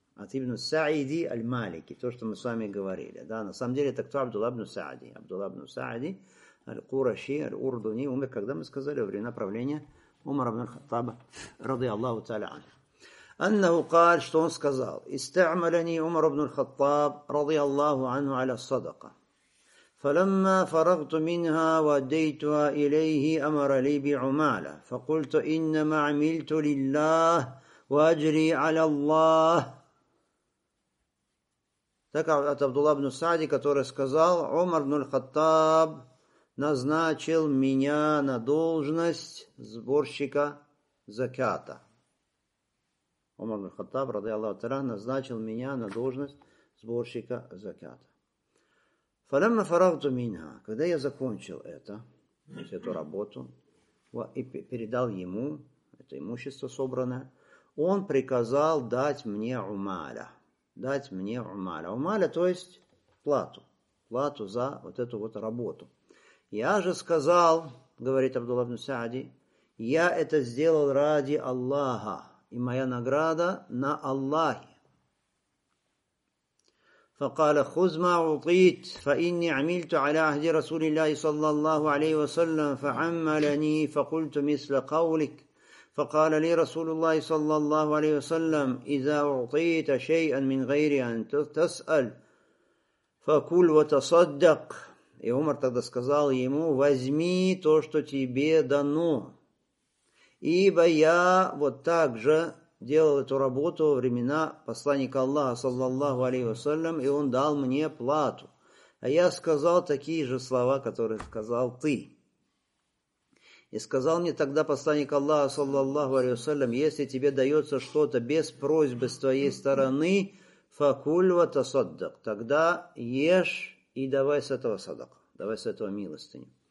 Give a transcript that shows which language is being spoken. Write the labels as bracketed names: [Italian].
[Russian] От ибн Саиди аль-Малики. То, что мы с вами говорили. Да, на самом деле, это кто? Абдулла ибн Саади. Абдулла ибн Саади, аль-Кураши, аль-Урдуни, умер, когда мы сказали, во времена правления Умара ибн Хаттаба, ради Аллаху Тааля ан. Аннаху каль, что он сказал, истамаляни Умар ибн Хаттаб, ради Аллаху анху аля садака. [Arabic] فلما فرغت منها وديتها إليه أمر لي بعمالة فقلت إنما عملت لله وأجري على الله. [Russian] Так от Абдулла ибн Саади, который сказал, Умар ибн Хаттаб назначил меня на должность сборщика заката. Умар ибн Хаттаб, ради Аллаху Тааля, назначил меня на должность сборщика заката. [Arabic] فَلَمَّ فَرَغْتُ مِنْهَا, [Russian] когда я закончил это, то есть эту работу, и передал ему это имущество собранное, он приказал дать мне умаля. Дать мне умаля. Умаля, то есть плату. Плату за вот эту вот работу. Я же сказал, говорит Абдулла ибн Саади, Я это сделал ради Аллаха, и моя награда на Аллахе. [Arabic] فقال خذ ما أعطيت فإني عملت على عهد رسول الله صلى الله عليه وسلم فعملني فقلت مثل قولك فقال لي رسول الله صلى الله عليه وسلم إذا أعطيت شيئا من غير أن تسأل فكل وتصدق [Russian] и عمر тогда сказал ему возьми то что тебе дано ибо я вот так же делал эту работу во времена посланника Аллаха, саллаллаху алейхи вассалям, и он дал мне плату. А я сказал такие же слова, которые сказал ты. И сказал мне тогда посланник Аллаха, саллаллаху алейхи вассалям, если тебе дается что-то без просьбы с твоей стороны, факуль ва тасаддак, тогда ешь и давай с этого садака, давай с этого милостыню.